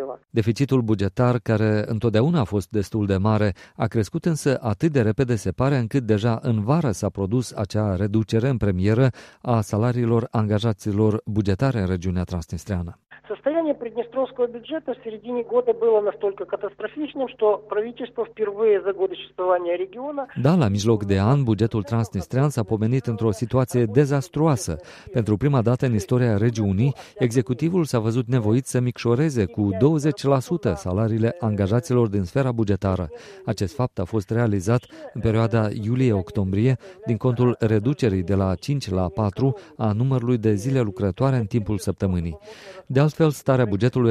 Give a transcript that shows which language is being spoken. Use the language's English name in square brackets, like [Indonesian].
[Romanian] Deficitul bugetar, care întotdeauna a fost destul de mare, a crescut însă atât de repede, se pare, încât deja în vară s-a produs acea reducere în premieră a salariilor angajaților bugetare în regiunea transnistreană. [Russian] Состояние приднестровского бюджета в середине года было настолько катастрофичным, что правительство впервые за годы существования региона. [Romanian] Да, la mijloc de an, bugetul transnistrean s-a pomenit într-o situație dezastruoasă. Pentru prima dată în istoria regiunii, executivul s-a văzut nevoit să micșoreze cu 20% salariile angajaților din sfera bugetară. Acest fapt a fost realizat în perioada iulie-octombrie, din contul reducerii de la 5 la 4 a numărului de zile lucrătoare în timpul săptămânii. De altfel, starea bugetului